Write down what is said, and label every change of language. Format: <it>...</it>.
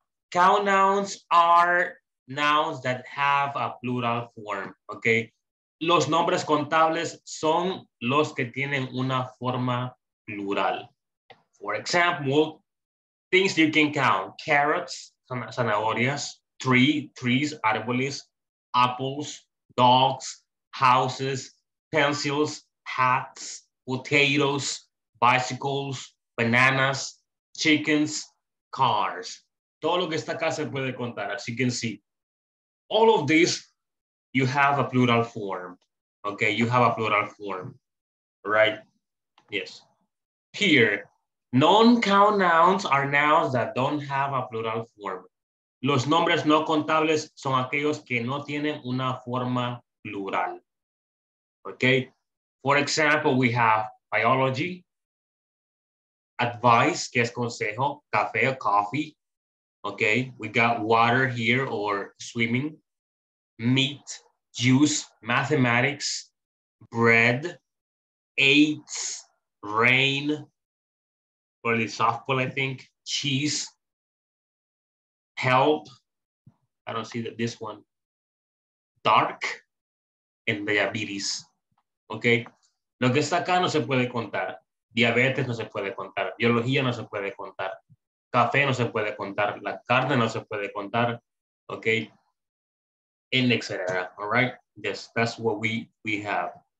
<en>Count nouns are nouns that have a plural form. Okay.</en> <es>Los nombres contables son los que tienen una forma plural.</es> <en>For example, things you can count. Carrots, zanahorias, trees, árboles, apples, dogs, houses, pencils, hats, potatoes, bicycles, bananas, chickens, cars.</en> <es>Todo lo que está acá se puede contar,</es> <en>as you can see. All of these, you have a plural form. Okay, you have a plural form, right? Yes. Here, non-count nouns are nouns that don't have a plural form.</en> <es>Los nombres no contables son aquellos que no tienen una forma plural.</es> <en>Okay, for example, we have biology, advice,</en> <es>que es consejo,</es> <en>café or coffee. Okay, we got water here or swimming, meat, juice, mathematics, bread, eggs, rain, or the softball, I think, cheese, help. I don't see that this one, dark, and diabetes.</en> <es>Okay, lo que está acá no se puede contar. Diabetes no se puede contar. Biología no se puede contar. Café no se puede contar. La carne no se puede contar.</es> <en>Okay, and etc. All right, yes, that's what we have.</en>